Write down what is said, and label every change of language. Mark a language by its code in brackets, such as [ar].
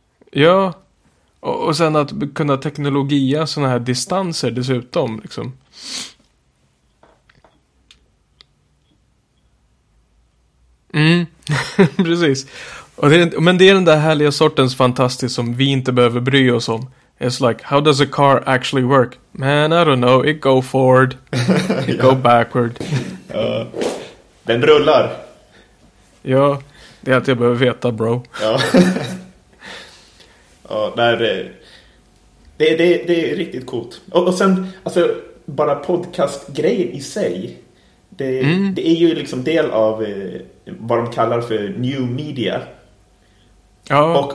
[sv] Ja, och sen att kunna teknologia såna här distanser dessutom, liksom. Mm, precis. Och det är den där härliga sortens fantastiskt som vi inte behöver bry oss om. [en] It's like, how does a car actually work? Man, I don't know, it go forward, it go backward. [sv] Den rullar. Ja, det är att jag behöver veta, bro. Ja. Ja, det är riktigt coolt. Och sen, alltså, bara podcastgrejen i sig, det är ju liksom del av vad de kallar för new media. Ja.